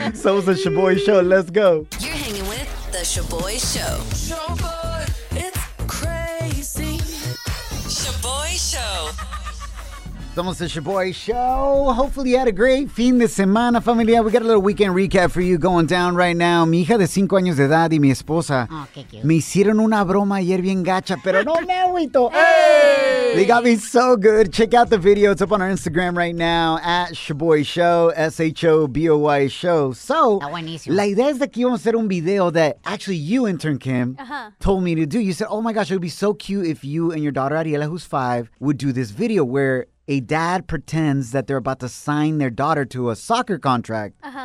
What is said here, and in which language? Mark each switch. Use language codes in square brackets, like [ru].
[en] So it's the Shaboy Show. Let's go. You're hanging with the Shaboy Show. Shaboy, it's crazy. Shaboy. Somos the Shaboy Show. Hopefully you had a great [es] fin de semana, [en] familia. We got a little weekend recap for you going down right now. [es] Mi hija de 5 años de edad y mi esposa me hicieron una broma ayer bien gacha, pero no me agüito. Hey! [en] They got me so good. Check out the video. It's up on our Instagram right now, at Shaboy Show, S-H-O-B-O-Y Show. [es] So, la idea es de que íbamos a hacer un video [en] that actually you, intern Kim, told me to do. You said, oh my gosh, it would be so cute if you and your daughter Ariela, who's 5, would do this video where a dad pretends that they're about to sign their daughter to a soccer contract.